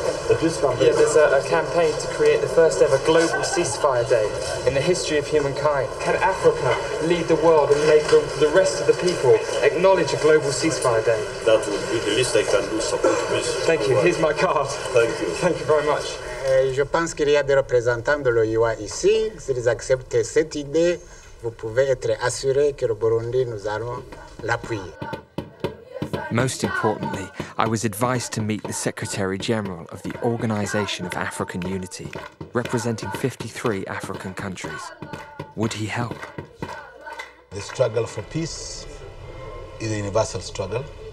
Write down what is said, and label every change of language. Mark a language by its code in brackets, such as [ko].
[en] A peace campaign? Yeah, there's a campaign to create the first ever global ceasefire day in the history of humankind. Can Africa lead the world and make the rest of the people acknowledge a global ceasefire day? That would be the least I can do, support, please. Thank you, here's my card. Thank you. Thank you very much. [fr] Je pense qu'il y a des représentants de l'OIE ici. S'ils acceptent cette idée, vous pouvez être assuré que le Burundi nous allons l'appuyer. [en] Most importantly, I was advised to meet the Secretary General of the Organization of African Unity, representing 53 African countries. Would he help? The struggle for peace is a universal struggle.